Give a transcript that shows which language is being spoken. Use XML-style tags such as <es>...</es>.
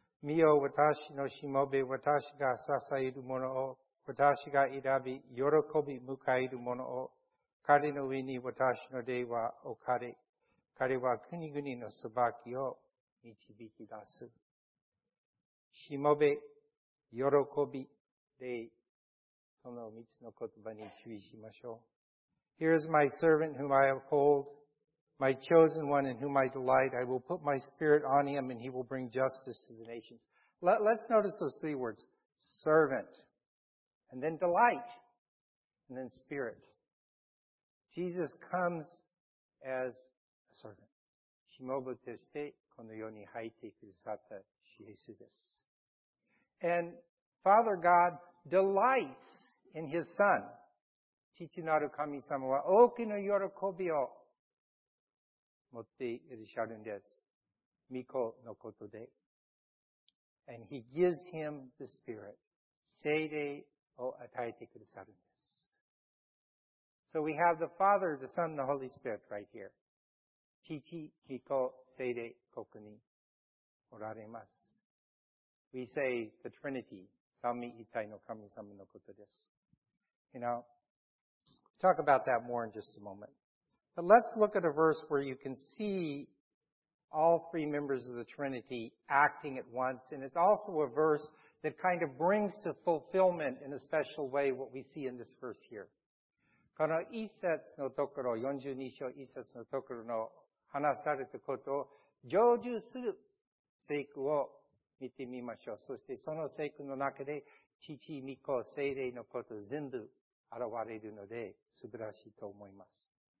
<ja>見よ、私のしもべ、私が支えるものを、私が選び、喜び迎えるものを、彼の上に私の霊は置かれ、彼は国々の裁きを導き出す。しもべ、喜び、霊、その三つの言葉に注意しましょう。</ja> <en>Here is my servant whom I uphold, my chosen one in whom I delight. I will put my spirit on him and he will bring justice to the nations. Let's notice those three words. Servant. And then delight. And then spirit. Jesus comes as a servant.</en> <ja>しもべとしてこの世に入ってくださったイエスです。</ja> <en>And Father God delights in his son.</en> <ja>父なる神様は大きな喜びを持っていらっしゃるんです。御子のことで。</ja> <en>And he gives him the Spirit.</en> <ja>聖霊を与えてくださるんです。</ja> <en>So we have the Father, the Son, and the Holy Spirit right here.</en> <ja>父、御子、聖霊、ここにおられます。</ja> <en>We say the Trinity,</en> <ja>三位一体の神様のことです。</ja> <en>You know, talk about that more in just a moment. But let's look at a verse where you can see all three members of the Trinity acting at once. And it's also a verse that kind of brings to fulfillment in a special way what we see in this verse here.</en> <ja>この一節のところ、42章一節のところの話されたことを成就する聖句を見てみましょう。そしてその聖句の中で父、御子、聖霊のこと全部現れるので素晴らしいと思います。</ja>